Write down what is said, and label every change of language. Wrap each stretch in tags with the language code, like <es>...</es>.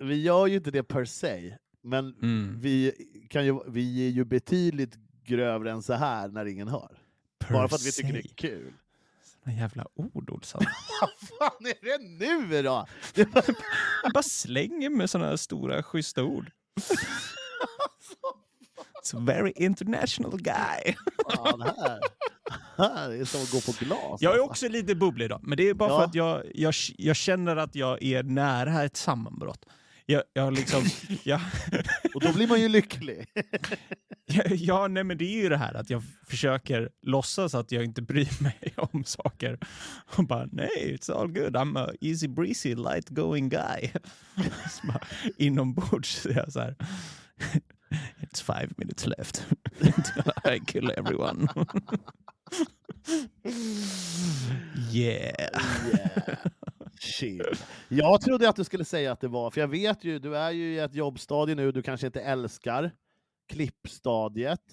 <sv>Vi gör ju inte det per se, men vi är ju betydligt grövre än så här när ingen hör. Per bara för att vi tycker det är kul. Såna jävla ord, Olsson. Vad fan är det nu då? Bara slänger med såna här stora, schyssta ord.</sv> <en>It's a very international guy.</en> <sv>Fan, det är som att gå på glas. Jag är också lite bubblig idag, men det är bara för att jag känner att jag är nära ett sammanbrott. Jag liksom, jag... Och då blir man ju lycklig. Nej, men det är ju det här att jag försöker låtsas att jag inte bryr mig om saker. Och bara, nej,</sv> <en>it's all good. I'm a easy breezy, light going guy.</en> <sv>Inombords så är jag så här,</sv> <en>it's 5 minutes left. I kill everyone. Yeah. Yeah. Chill.</en> <sv>Jag trodde att du skulle säga att det var, för jag vet ju, du är ju i ett jobbstadie nu, du kanske inte älskar klippstadiet.</sv>